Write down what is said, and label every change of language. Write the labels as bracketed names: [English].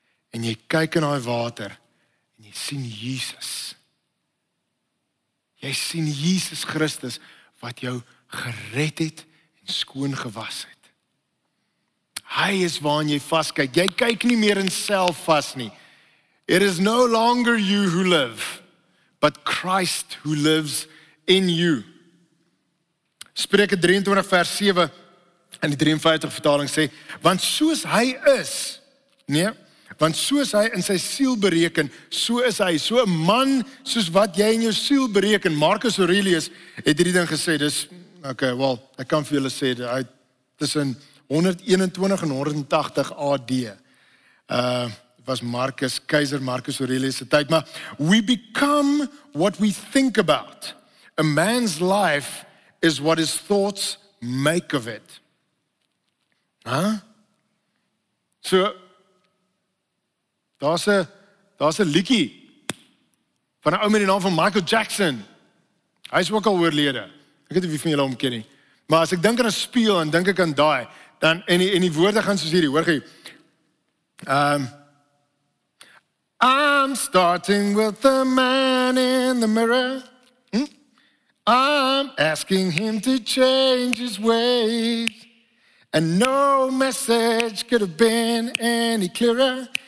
[Afrikaans] En jy kyk in daai water en jy sien Jesus. Jy sien Jesus Christus wat jou gered het en skoon gewas het. Hy is waaraan jy vaskyk. Jy kyk nie meer in self vas nie. [English] It is no longer you who live, but Christ who lives in you. [Afrikaans] Spreuke 23 vers 7 in die 53 vertaling sê, want soos hy is, nee, want soos hy in sy siel bereken, so is hy, so 'n man soos wat jy in jou siel bereken. Marcus Aurelius het hierdie ding gesê, dis, okay, well, ek kan vir julle sê, dit tussen 121 en 180 AD, was Marcus, keizer Marcus Aurelius se tyd, maar, [English] we become what we think about. A man's life is what his thoughts make of it. Huh? [Afrikaans] So, daar's 'n liedjie van 'n ou met die naam van Michael Jackson. Hy is ook al oorlede. Ek weet nie wie van julle hom ken nie. Maar as ek dink aan 'n speel en dink ek aan daai, dan en die woorde gaan soos hierdie, hoor gij. [English] I'm starting with the man in the mirror. I'm asking him to change his ways. And no message could have been any clearer.